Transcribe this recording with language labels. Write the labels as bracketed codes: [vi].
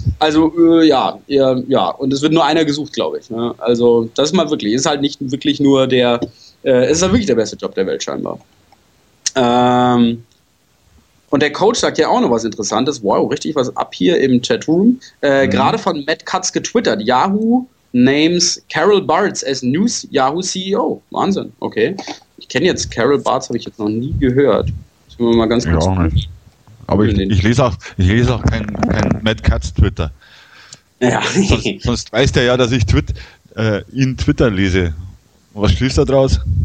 [de] Also, und es wird nur einer gesucht, glaube ich. Ne? Also, das ist mal wirklich, ist halt nicht wirklich nur der Es ist ja wirklich der beste Job der Welt scheinbar. Und der Coach sagt ja auch noch was Interessantes. Wow, richtig was ab hier im Chatroom. Gerade von Matt Cutts getwittert. [en] Yahoo names Carol Bartz as new Yahoo CEO. [de] Wahnsinn, okay. Ich kenne jetzt Carol Bartz, habe ich jetzt noch nie gehört. Sollen wir mal ganz kurz. Auch nicht. Aber ich lese auch kein Matt Cutts Twitter. Ja. Sonst weiß der ja, dass ich ihn Twitter lese. Was schließt er draus?